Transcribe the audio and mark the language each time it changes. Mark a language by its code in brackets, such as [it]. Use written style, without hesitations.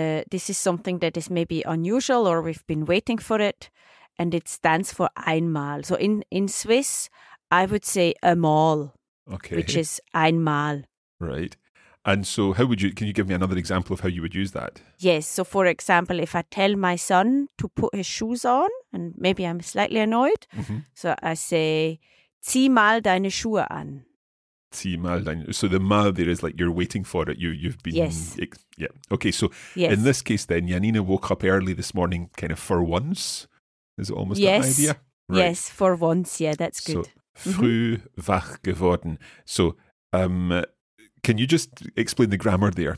[en] this is something that is maybe unusual or we've been waiting for it and it stands for einmal. So in Swiss, I would say einmal, okay. which is einmal. Right. And so how would you, can you give me another example of how you would use that? Yes. So for example, if I tell my son to put his shoes on and maybe I'm slightly annoyed. Mm-hmm. So I say, [de] zieh mal deine Schuhe an. [en] So the mal there is like you're waiting for it. You've been... Yes. Yeah. Okay, so yes. In this case then, Janina woke up early this morning kind of for once. Is it almost yes. that idea? Right. Yes, for once. Yeah, that's good. [de] So früh mm-hmm. wach geworden. [en] So can you just explain the grammar there?